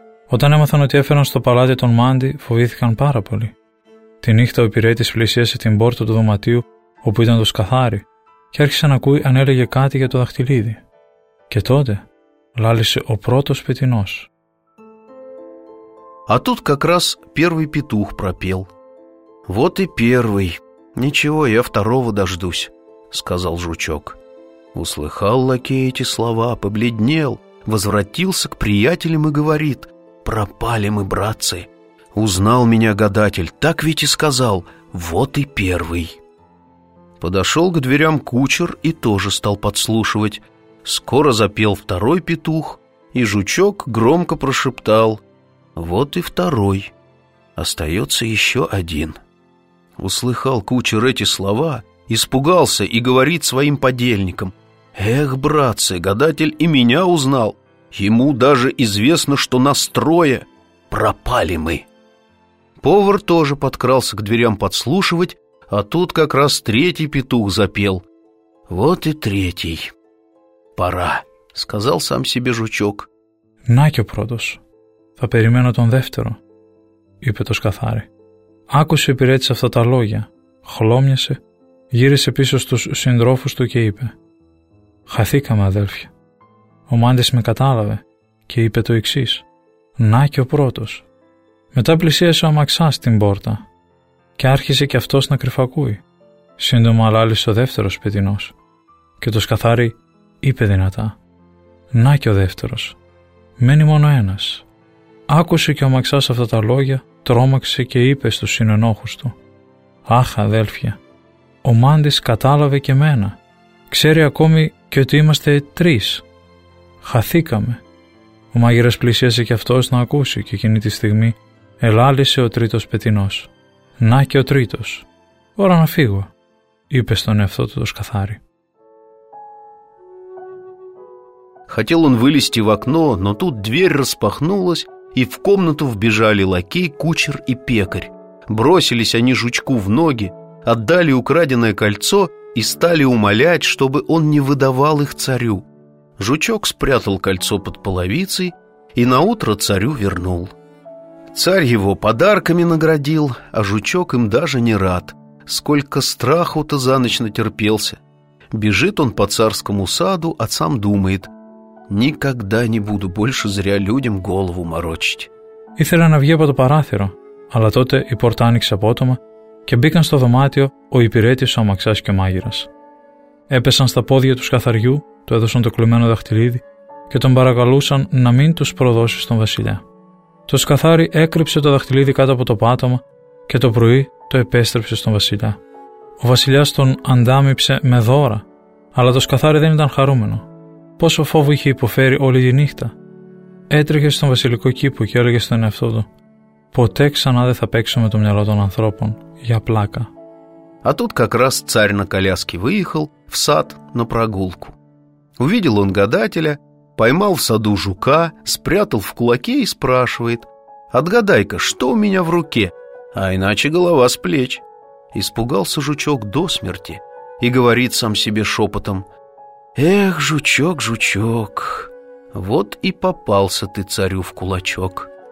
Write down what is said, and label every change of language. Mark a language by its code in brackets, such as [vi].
[el] Όταν έμαθαν ότι έφεραν στο παλάτι τον Μάντι, φοβήθηκαν πάρα πολύ. Τη νύχτα ο υπηρέτης πλησίασε την πόρτα του δωματίου όπου ήταν το σκαθάρι και άρχισε να ακούει αν έλεγε κάτι για το δαχτυλίδι. Και τότε λάλησε ο πρώτος πετινός. [ru] «А тут как раз первый петух пропел. Вот и первый. Ничего, я второго дождусь», — сказал Жучок. Услыхал лакей эти слова, побледнел, возвратился к приятелям и говорит: «Пропали мы, братцы! Узнал меня гадатель, так ведь и сказал, вот и первый!» Подошел к дверям кучер и тоже стал подслушивать. Скоро запел второй петух, и Жучок громко прошептал: «Вот и второй! Остается еще один!» Услыхал кучер эти слова, испугался и говорит своим подельникам: «Эх, братцы, гадатель и меня узнал! Ему даже известно, что нас трое. Пропали мы!» Повар тоже подкрался к дверям подслушивать, а тут как раз третий петух запел. «Вот и третий. Пора», — сказал сам себе Жучок. «Наке продус. [el] Θα περιμένω τον δεύτερο», — είπε το σκαθάρι. Άκουσε υπηρέτης αυτά τα λόγια, χλώμιασε, γύρισε πίσω στους συντρόφους του και είπε: «Χαθήκαμε, αδέλφια. Ο Μάντης με κατάλαβε και είπε το εξής: Να και ο πρώτος». Μετά πλησίασε ο αμαξάς την πόρτα και άρχισε και αυτός να κρυφακούει. Σύντομα λάλησε ο δεύτερος πετινός και το σκαθάρι είπε δυνατά: «Να και ο δεύτερος. Μένει μόνο ένας». Άκουσε και ο αμαξάς αυτά τα λόγια, τρόμαξε και είπε στους συνενόχους του: «Αχ, αδέλφια, ο Μάντης κατάλαβε και μένα. Ξέρει ακόμη και ότι είμαστε τρεις. Χαθήκαμε». Ο μάγειρας πλησίασε και αυτός να ακούσει και εκείνη τη στιγμή ελάλησε ο τρίτος πετινός. «Να και ο τρίτος. Ώρα να φύγω», είπε στον εαυτό του το σκαθάρι. [ru] Хотел он вылезти в окно, но тут дверь распахнулась, и в комнату вбежали лакей, кучер и пекарь. Бросились они жучку в ноги, отдали украденное кольцо и стали умолять, чтобы он не выдавал их царю. Жучок спрятал кольцо под половицей и наутро царю вернул. Царь его подарками наградил, а жучок им даже не рад. Сколько страху-то за ночь натерпелся. Бежит он по царскому саду, а сам думает: «Никогда не буду больше зря людям голову морочить». [el] Ήθελα να βγει από το παράθυρο, αλλά τότε η πόρτα άνοιξε απότομα και μπήκαν στο δωμάτιο ο υπηρέτης, ο αμαξάς και ο μάγειρας. Έπεσαν στα πόδια του καθαριού, του έδωσαν το κλειμένο δαχτυλίδι και τον παρακαλούσαν να μην τους προδώσει στον βασιλιά. Το σκαθάρι έκρυψε το δαχτυλίδι κάτω από το πάτωμα και το πρωί το επέστρεψε στον βασιλιά. Ο βασιλιάς τον αντάμυψε με δώρα, αλλά το σκαθάρι δεν ήταν χαρούμενο. Πόσο φόβο είχε υποφέρει όλη τη νύχτα. Έτρεχε στον βασιλικό κήπο και έλεγε στον εαυτό του: «Ποτέ ξανά δεν θα παίξω με το μυαλό των ανθρώπων για πλάκα». [ru] А тут как раз царь на коляске выехал в сад на прогулку. Увидел он гадателя, поймал в саду жука, спрятал в кулаке и спрашивает: «Отгадай-ка, что у меня в руке? А иначе голова с плеч». Испугался жучок до смерти и говорит сам себе шепотом: «Эх, жучок, жучок, вот и попался ты царю в кулачок».